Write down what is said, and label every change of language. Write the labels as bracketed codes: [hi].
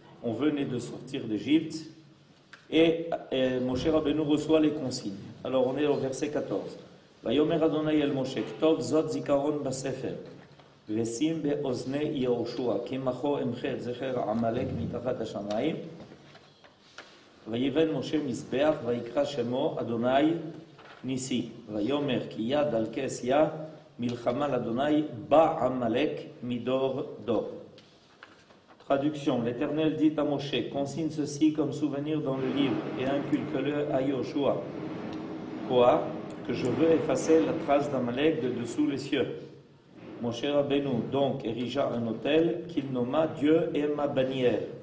[fr] On venait de sortir d'Égypte et Moshe Rabbeinu reçoit les consignes. Alors, on est au verset 14. [he] ויאמר אדוני אל משה, כתוב זאת זיכרון בספר, ושים באוזני יהושע, כי מחו אמחה זכר עמלק מתחת השמיים, ויבן משה מזבח, ויקרא שמו אדוני ניסי, ויאמר כי יד על כס יה, מלחמה לאדוני, בא עמלק מדור דור. [fr] Traduction, l'Éternel dit à Moshe, consigne ceci comme souvenir dans le livre, et inculque-le à Yoshua. Quoi? Que je veux effacer la trace d'Amalek de dessous les cieux. Moshe Rabbeinu donc érigea un autel qu'il nomma Dieu et ma bannière.